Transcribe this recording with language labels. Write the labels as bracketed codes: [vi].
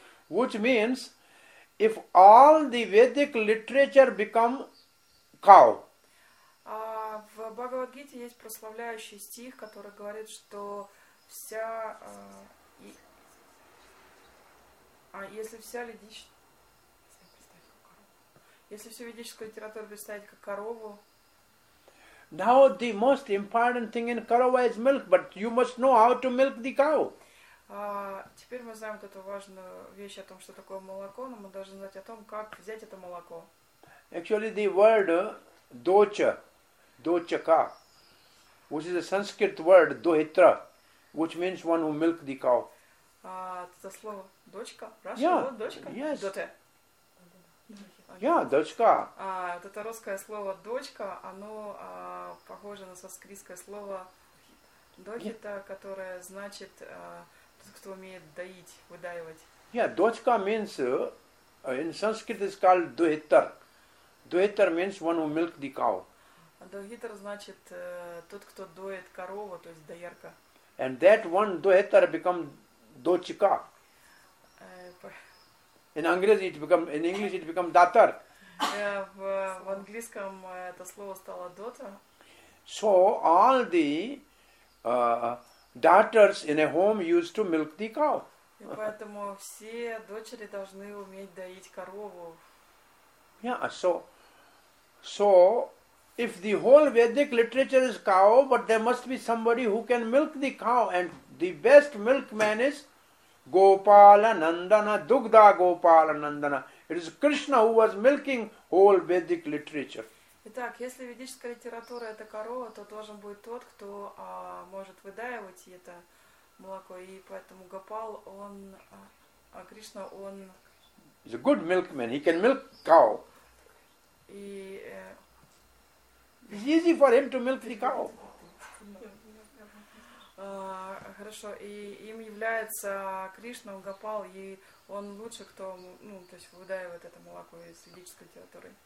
[en] Which means, if all the Vedic literature become cow. [ru] В Бхагавад-гите есть прославляющий стих, который говорит, что вся, если вся ведическая, если всю ведическую литературу представить как корову. [en] Now the most important thing in корова is milk, but you must know how to milk the cow. [ru] Теперь мы знаем вот эту важную вещь о том, что такое молоко, но мы должны знать о том, как взять это молоко. [en] Actually, the word docha. Dochaka, which is a Sanskrit word, dohitra, which means one who milk the cow. [ru] Это слово дочка? [en] Russian yeah. Word, [ru] дочка? [en] Yes. Dote. Yeah, дочка. [ru] Вот это русское слово дочка, оно похоже на санскритское слово дохита, yeah. Которое значит тот, кто умеет доить, выдаивать. [en] Yeah, дочка means, in Sanskrit is called dohitar. Dohitar means one who milk the cow. [ru] Дохитр значит тот, кто доит корову, то есть доярка. [en] And that one dohitar becomes dochika. In English it becomes datar. [ru] В английском это слово стало дота. [en] So all the daughters in a home used to milk the cow. [ru] И поэтому все дочери должны уметь доить корову. [en] Yeah, so if the whole Vedic literature is cow, but there must be somebody who can milk the cow, and the best milkman is Gopala Nandana, Dugda Gopala Nandana. It is Krishna who was milking whole Vedic literature. [ru] Итак, если ведическая литература это корова, то должен будет тот, кто может выдаивать это молоко. И поэтому Гопал, он, а Кришна, он... [en] He's a good milkman. He can milk cow. [ru] И, [en] It's easy for him to milk the cow. [ru] Хорошо. И им является Кришна, Гопал, и он лучше, кто, ну, то есть выдаивает это молоко из ведической литературы.